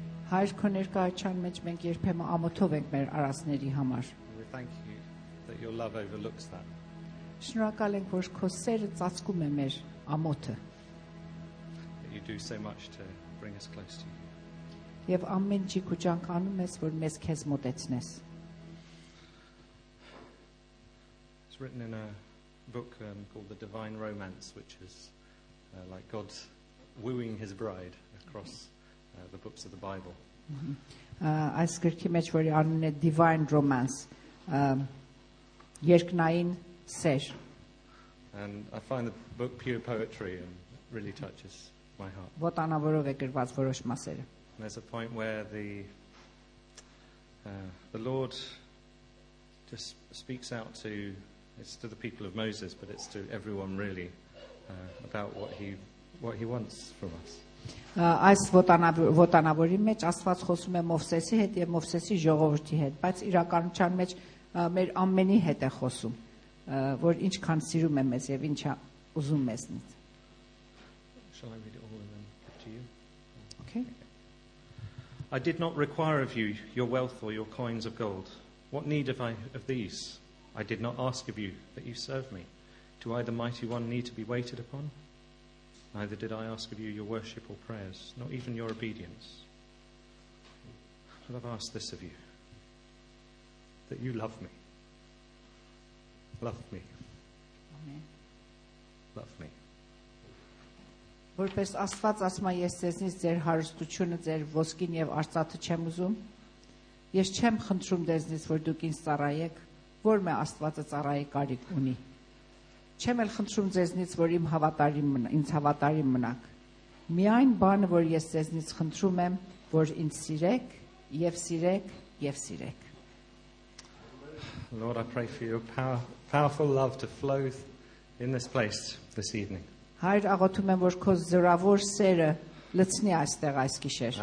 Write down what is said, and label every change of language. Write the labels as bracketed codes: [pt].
[hy] Հայր քո ներկայության մեջ մենք երբեմն ամոթով ենք մեր արածների համար. [en] We thank you that your love overlooks that. [hy] Շնորհակալ ենք, որ քո սերը ծածկում է մեր ամոթը. [en] You do so much to bring us close to you. [hy] Եվ ամեն ինչ քո ճանկանում ես, որ մեզ քեզ մոտեցնես. [en] It's written in a book called The Divine Romance, which is like God wooing his bride across the books of the Bible. I script image where you on a divine romance. [hy] Երկնային սեր. [en] And I find the book pure poetry and really touches my heart. [hy] Ոտանավորով է գրված որոշ մասերը. [en] There's a point where the Lord just speaks out to It's to the people of Moses, but it's to everyone really about what he wants from us. [hy] Այս ոտանավորի մեջ Աստված խոսում է Մովսեսի հետ եւ Մովսեսի ժողովրդի հետ, բայց իրականության մեջ մեր ամենի հետ է խոսում, որ ինչքան սիրում է մեզ եւ ինչա ուզում մեզնից. [en] Shall I read it all and then give to you? Okay. I did not require of you your wealth or your coins of gold. What need have I of these? I did not ask of you that you serve me. Do I, the Mighty One, need to be waited upon? Neither did I ask of you your worship or prayers, not even your obedience. But I've asked this of you, that you love me. Love me. Amen. Love me. [hy] Որպես Աստված ասում է, ես ձեզնից ձեր հարստությունը, ձեր ոսկին եւ արծաթը չեմ ուզում. Ես չեմ խնդրում ձեզնից, որ դուք ինձ ծառայեք. Որ մե Աստվածը ծառայի կարիք ունի։ Չեմ էլ խնդրում ձեզնից, որ իմ հավատարիմ մնաք, ինձ հավատարիմ մնաք։ Միայն բանը, որ ես ձեզնից խնդրում եմ, որ ինձ սիրեք, եւ սիրեք, եւ սիրեք։ [en] Lord, I pray for your powerful love to flow in this place this evening. [hy] Հայր, աղոթում եմ, որ քո զորավոր սերը լցնի այստեղ այս գիշեր։